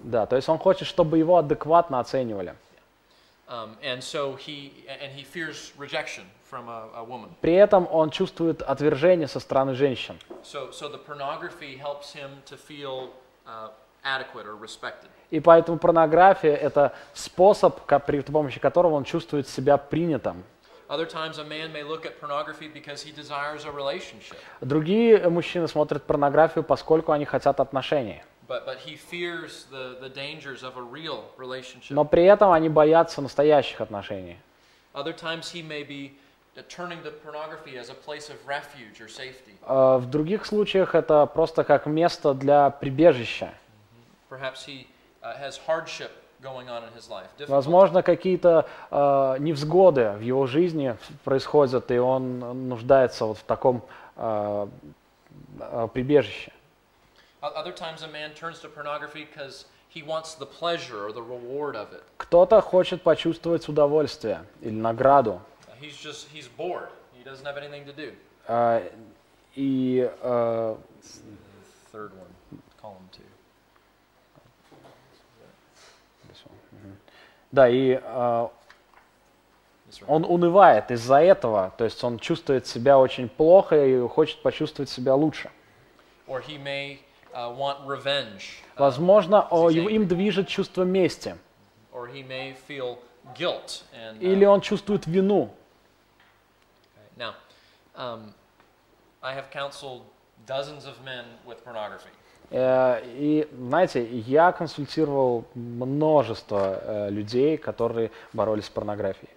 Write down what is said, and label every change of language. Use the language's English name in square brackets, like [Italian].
[Russian] Да, то есть он хочет, чтобы его адекватно оценивали. [English] And he fears rejection from a woman. [Russian] При этом он чувствует отвержение со стороны женщин. [English] So the pornography helps him to feel adequate or respected. [Russian] И поэтому порнография – это способ, при помощи которого он чувствует себя принятым. [English] Other times a man may look at pornography because he desires a relationship. [Russian] Другие мужчины смотрят порнографию, поскольку они хотят отношений. [English] But he fears the dangers of a real relationship. [Russian] Но при этом они боятся настоящих отношений. [English] Other times he may be turning to pornography as a place of refuge or safety. [Russian] В других случаях это просто как место для прибежища. [English] Perhaps he has hardship going on in his life. [Russian] Возможно, какие-то невзгоды в его жизни происходят, и он нуждается вот в таком прибежище. [English] Other times a man turns to pornography because he wants the pleasure or the reward of it. [Russian] Кто-то хочет почувствовать удовольствие или награду. [English] He's bored. He doesn't have anything to do. Third one, column two. This one. [Russian] Да, и он унывает из-за этого, то есть он чувствует себя очень плохо и хочет почувствовать себя лучше. [English] Or he may want revenge. [Russian] Возможно, им движет чувство мести. [English] Or he may feel guilt and, [Russian] или он чувствует вину. [English] Now, I have counseled dozens of men with pornography. [Russian] И знаете, я консультировал множество людей, которые боролись с порнографией.